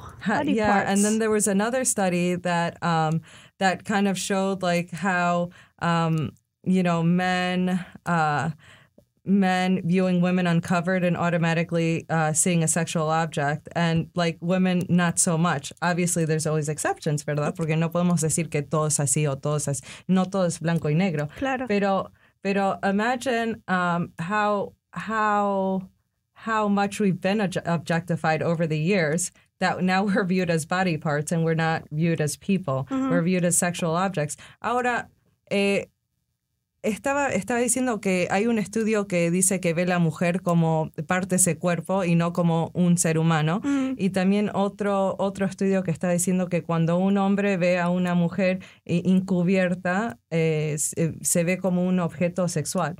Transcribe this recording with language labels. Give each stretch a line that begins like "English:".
English: And then there was another study that, that kind of showed like how, you know, men, men viewing women uncovered and automatically seeing a sexual object, and like women, not so much. Obviously, there's always exceptions, ¿verdad?
Spanish: Porque no podemos decir que todo es así o todo es así. No todo es blanco y negro. Claro.
English: Pero imagine how much we've been objectified over the years, that now we're viewed as body parts and we're not viewed as people. Mm-hmm. We're viewed as sexual objects.
Spanish: Ahora, estaba diciendo que hay un estudio que dice que ve la mujer como parte de ese cuerpo y no como un ser humano. Mm-hmm. Y también otro estudio que está diciendo que cuando un hombre ve a una mujer encubierta, se ve como un objeto sexual.